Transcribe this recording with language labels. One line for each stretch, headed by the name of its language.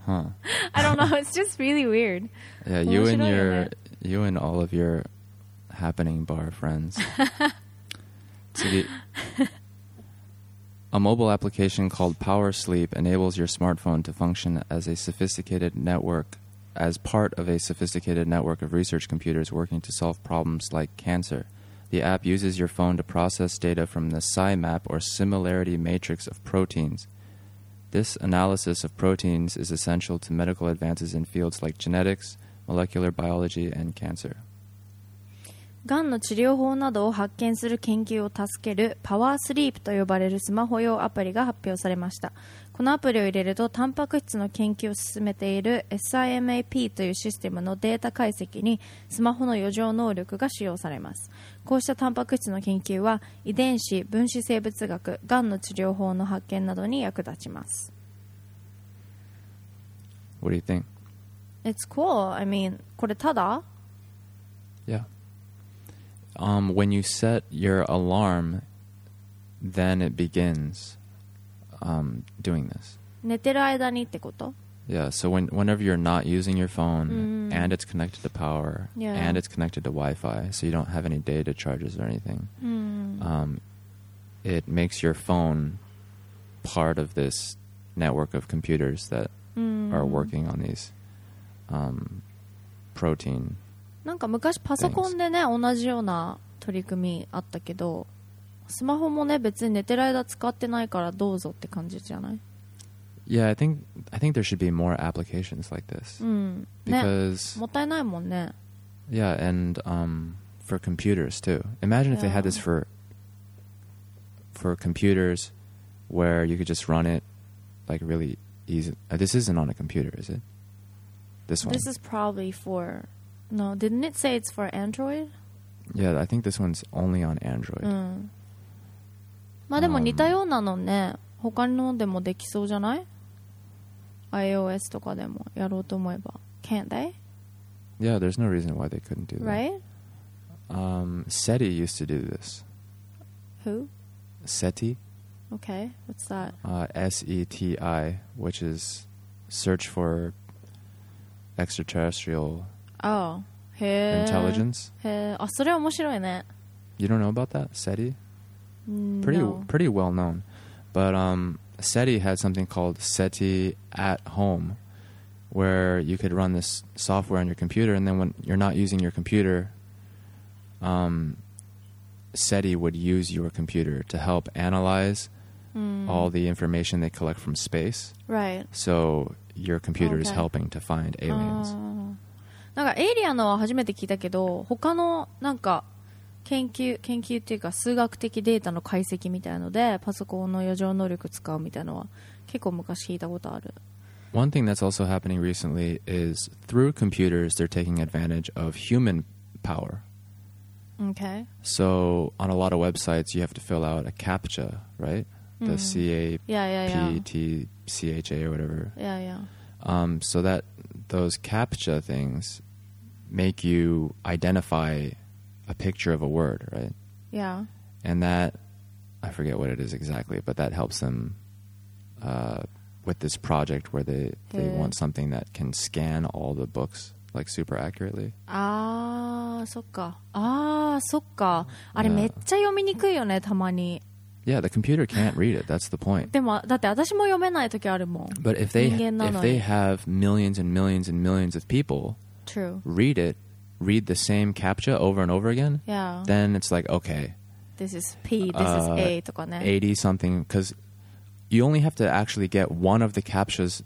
English: huh. I don't know it's just really weird Yeah, you and yourYou and all of your happening bar friends.
Japanese: 次
English: A mobile application called Power Sleep enables your smartphone to function as a sophisticated network, as part of a sophisticated network of research computers working to solve problems like cancer. The app uses your phone to process data from the SIMAP or similarity matrix of proteins. This analysis of proteins is essential to medical advances in fields like genetics,Molecular biology and cancer.
Japanese: がんの治療法などを発見する研究を助けるパワースリープと呼ばれるスマホ用アプリが発表されました。このアプリを入れると、タンパク質の研究を進めている SIMAP というシステムのデータ解析にスマホの余剰能力が使用されます。こうしたタンパク質の研究は、遺伝子、分子生物学、がんの治療法の発見などに役立ちます。
English: What do you think? It's cool. I mean,
Japanese: これただ?
English: Yeah. When you set your alarm, then it begins doing this.
Japanese: 寝てる間にってこと?
English: Yeah, so whenever you're not using your phone, and it's connected to power, and it's connected to Wi-Fi, so you don't have any data charges or anything, it makes your phone part of this network of computers that are working on theseProtein
Japanese: なんか昔パソコンでね同じような取り組みあったけどスマホもね別に寝てる間使ってないからどうぞって感じじゃない
English: Yeah, I think there should be more applications like this、
Japanese: ね、
English: Because
Japanese: もったいないもんね
English: Yeah, and for computers too Imagine if they had this for computers where you could just run it like really easy This isn't on a computer, is itThis one. This is probably for... No, didn't it say it's for Android? Yeah, I think this one's only on Android.
Japanese: まあでも似たようなのね。他のでもできそうじゃない? iOS とかでもやろうと思えば
English: can they? Yeah, there's no reason why they couldn't do that. Right? SETI used to do this. Who? SETI. Okay, what's that? SETI, which is search for extraterrestrial intelligence.
Japanese: Oh, それ面白いね。
English: You don't know about that, SETI? Pretty well known. But SETI had something called SETI at home, where you could run this software on your computer, and then when you're not using your computer, SETI would use your computer to help analyze all the information they collect from space. Right. So your computer is helping to find aliens.
Japanese: なんかエイリアンのは初めて聞いたけど、他のなんか研究っていうか数学的データの解析みたいのでパソコンの余剰能力使うみたいのは結構昔聞いたことある。
English: One thing that's also happening recently is through computers they're taking advantage of human power. Okay. So on a lot of websites you have to fill out a CAPTCHA, right? The CAPTCHA or whatever. Yeah, yeah. So that those CAPTCHA things make you identify a picture of a word, right? Yeah. And that, I forget what it is exactly, but that helps them with this project where they want something that can scan all the books like super accurately.
Japanese: そっか。あれめっちゃ読みにくいよね、たまに。
English: Yeah, the computer can't read it. That's the point.
Japanese: でも、だって私も読めない時あるもん。
English: But if they have millions and millions and millions of people read the same CAPTCHA over and over again, then it's like, okay. This is P, this is A
Japanese: とかね。
English: 80 something, because you only have to actually get one of the CAPTCHAs.